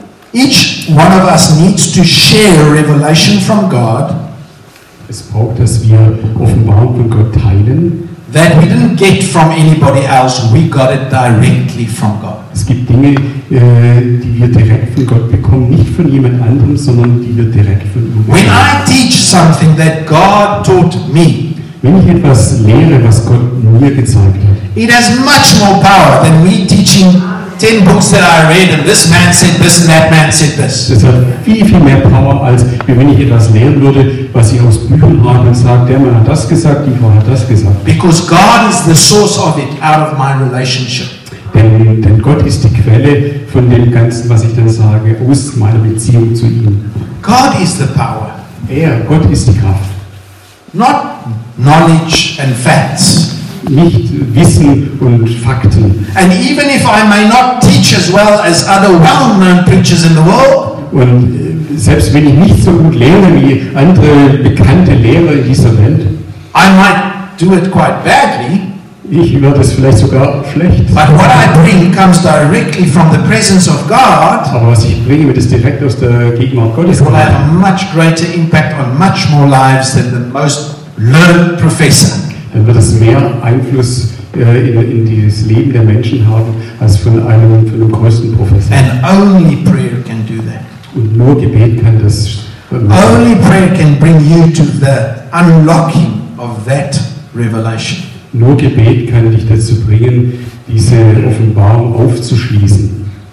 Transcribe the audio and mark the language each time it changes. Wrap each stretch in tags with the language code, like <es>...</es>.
<en>Each one of us needs to share a revelation from God.</en> <de>Es braucht, dass wir Offenbarung von Gott teilen.</de> <en>That we didn't get from anybody else, we got it directly from God.</en> <de>Es gibt Dinge, die wir direkt von Gott bekommen, nicht von jemand anderem, sondern die wir direkt von Gott bekommen.</de> <en>When I teach something that God taught me,</en> <de>wenn ich etwas lehre, was Gott mir gezeigt hat,</de> <en>it has much more power than me teaching 10 books that I read and this man said this and that man said this.</en> <de>Das hat viel, viel mehr Power, als wenn ich etwas lehren würde, was ich aus Büchern habe und sage, der Mann hat das gesagt, die Frau hat das gesagt.</de> <en>Because God is the source of it out of my relationship.</en> <de>Denn Gott ist die Quelle von dem Ganzen, was ich dann sage, aus meiner Beziehung zu ihm.</de> <en>God is the power.</en> <de>Er, Gott ist die Kraft.</de> <en>Not knowledge and facts.</en> <de>Nicht Wissen und Fakten.</de> <en>And even if I may not teach as well as other well-known preachers in the world.</en> <de>Und selbst wenn ich nicht so gut lehre wie andere bekannte Lehrer dieser Welt.</de> <en>I might do it quite badly.</en> <de>Ich werde es vielleicht sogar schlecht.</de> <en>But what I bring comes directly from the presence of God.</en> <de>Aber was ich bringe, wird es direkt aus der Gegenwart Gottes.</de> <en>Will have a much greater impact on much more lives than the most learned professor.</en> <de>Dann wird es mehr Einfluss in dieses Leben der Menschen haben als von einem größten Professor.</de> <en>And only prayer can do that.</en> <de>Und nur Gebet kann das.</de> <en>Only prayer can bring you to the unlocking of that revelation.</en> <de>Nur Gebet kann dich dazu bringen, diese Offenbarung aufzuschließen.</de>